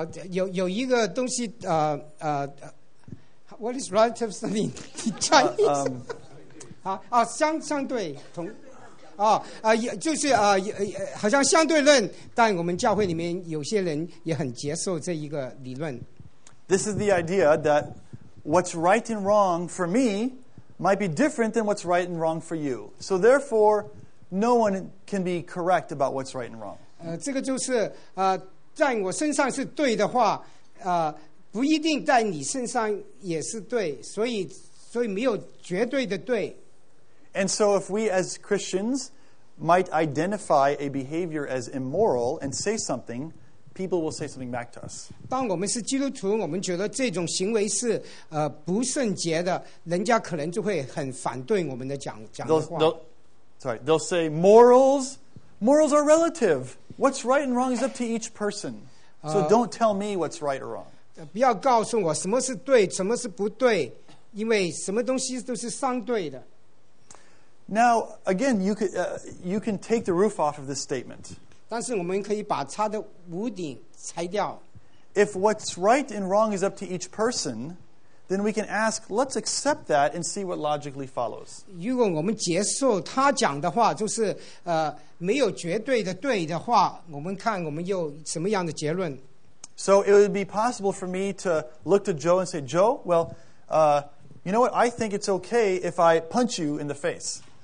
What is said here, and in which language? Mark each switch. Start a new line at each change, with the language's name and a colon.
Chinese: 有一个东西
English: what is relativism in Chinese?
Chinese: 相对同。就是好像相对论，但我们教会里面有些人也很接受这一个理论。
English: This is the idea that what's right and wrong for me might be different than what's right and wrong for you. So therefore, no one can be correct about what's right and wrong.
Chinese: 这个就是在我身上是对的话，不一定在你身上也是对，所以没有绝对的对。
English: And so if we as Christians might identify a behavior as immoral and say something, people will say something back to us.
Chinese: 当我们是基督徒，我们觉得这种行为是不圣洁的，人家可能就会很反对我们的讲的话。
English: They'll say morals are relative. What's right and wrong is up to each person. So don't tell me what's right or wrong.
Chinese: 不要告诉我什么是对，什么是不对，因为什么东西都是相对的。
English: Now, again, you can take the roof off of this statement.
Chinese: 但是我们可以把它的屋顶拆掉。
English: If what's right and wrong is up to each person, then we can ask, let's accept that and see what logically follows.
Chinese: 如果我们接受他讲的话，就是没有绝对的对的话，我们看我们有什么样的结论。
English: So it would be possible for me to look to Joe and say, Joe, well, you know what, I think it's okay if I punch you in the face.